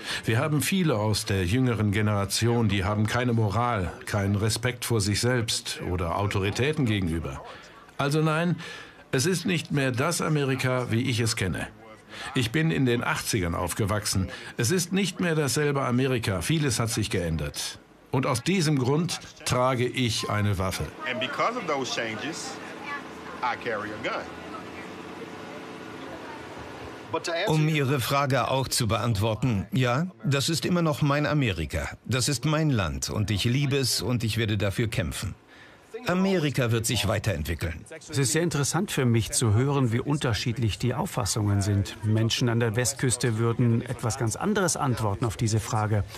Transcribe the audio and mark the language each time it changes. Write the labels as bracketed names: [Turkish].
[German] Wir haben viele aus der jüngeren Generation, die haben keine Moral, keinen Respekt vor sich selbst oder Autoritäten gegenüber. Also nein, es ist nicht mehr das Amerika, wie ich es kenne. Ich bin in den 80ern aufgewachsen. Es ist nicht mehr dasselbe Amerika. Vieles hat sich geändert. Und aus diesem Grund trage ich eine Waffe. [English] And because of those changes, I carry a gun. [German] Um Ihre Frage auch zu beantworten, ja, das ist immer noch mein Amerika. Das ist mein Land und ich liebe es und ich werde dafür kämpfen. Amerika wird sich weiterentwickeln. Es ist sehr interessant für mich zu hören, wie unterschiedlich die Auffassungen sind. Menschen an der Westküste würden etwas ganz anderes antworten auf diese Frage.